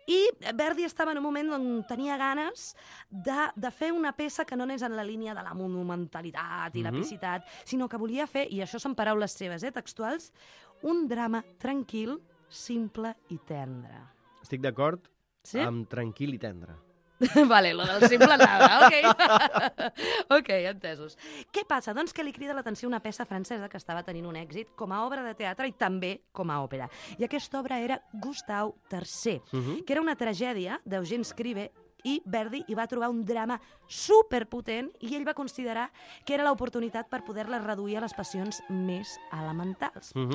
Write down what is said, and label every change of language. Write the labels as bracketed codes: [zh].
[ca] I Verdi estava en un moment on tenia ganes de fer una peça que no anés en la línia de la monumentalitat i l'epicitat, sinó que volia fer, i això són paraules seves, textuals, un drama tranquil, simple i tendre. Estic d'acord amb tranquil i tendre. [es] Vale, lo del simple nada, ok. [ca] Ok, entesos. Què passa? Doncs que li crida l'atenció una peça francesa que estava tenint un èxit com a obra de teatre i també com a òpera. I aquesta obra era Gustau III, que era una tragèdia d'Eugène Scribe, i Verdi hi va trobar un drama superpotent i ell va considerar que era l'oportunitat per poder-la reduir a les passions més elementals.